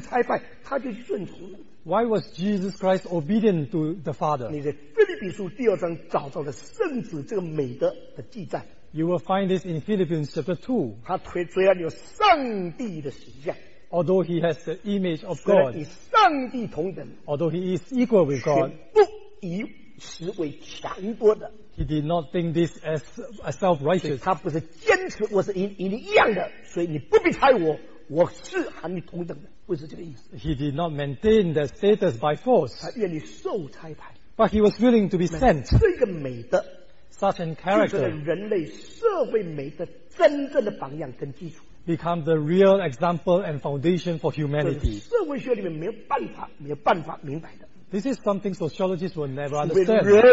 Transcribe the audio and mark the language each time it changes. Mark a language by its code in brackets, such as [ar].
[zh] 为什么耶稣基督一定要顺服天父差派，他就顺从呢？Why [en] was Jesus Christ obedient to the Father? [zh] 你在腓立比书第二章找到了圣子这个美德的记载。You [en] will find this in Philippians chapter 2. [zh] 他虽然有上帝的形象，Although [en] he has the image of God. [zh] 虽然与上帝同等，Although [en] he is equal with God. [zh] 却不以此为强夺的。 [en] He did not think this as self-righteous. [zh] 他不是坚持我是与你一样的，所以你不必猜我，我是和你同等的，不是这个意思。 [en] He did not maintain the status by force. [zh] 他愿意受差派。 [en] But he was willing to be sent. [zh] 这个美德, [en] such an character, [zh] 就是人类社会美德真正的榜样跟基础。 [en] Become the real example and foundation for humanity. [zh] 社会学里面没有办法明白的。 [en] This is something sociologists will never understand.